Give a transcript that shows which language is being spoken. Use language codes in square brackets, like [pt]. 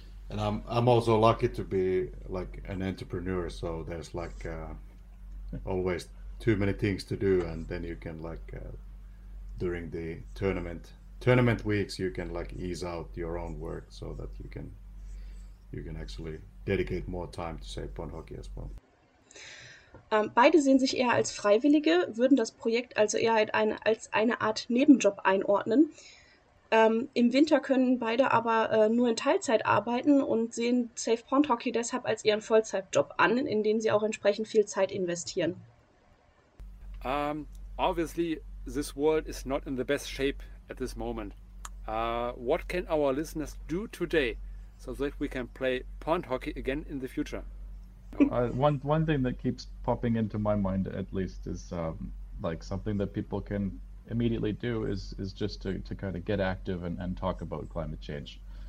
[en] And I'm also lucky to be like an entrepreneur, so there's like always too many things to do, and then you can like during the tournament weeks you can like ease out your own work so that you can actually dedicate more time to say pond hockey as well. [de] Beide sehen sich eher als Freiwillige, würden das Projekt also eher als eine Art Nebenjob einordnen. Im Winter können beide aber nur in Teilzeit arbeiten und sehen Safe Pond Hockey deshalb als ihren Vollzeitjob an, in den sie auch entsprechend viel Zeit investieren. [en] Obviously this world is not in the best shape at this moment. What can our listeners do today so that we can play pond hockey again in the future? One thing that keeps popping into my mind, at least, is like something that people can immediately do is just to kind of get active and talk about climate change.